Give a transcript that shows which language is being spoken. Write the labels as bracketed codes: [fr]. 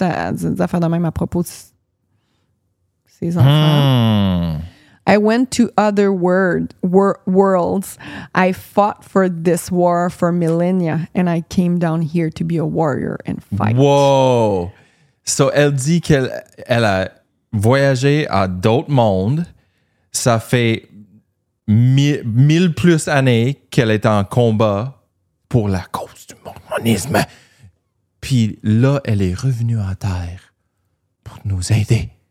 [fr] Des affaires de même à propos de ses enfants. [en] Mm. I went to other worlds. I fought for this war for millennia, and I came down here to be a warrior and fight. Whoa! [fr] So elle dit qu'elle a voyagé à d'autres mondes. Ça fait mille plus années qu'elle est en combat pour la cause du mormonisme. Puis là, elle est revenue à terre pour nous aider.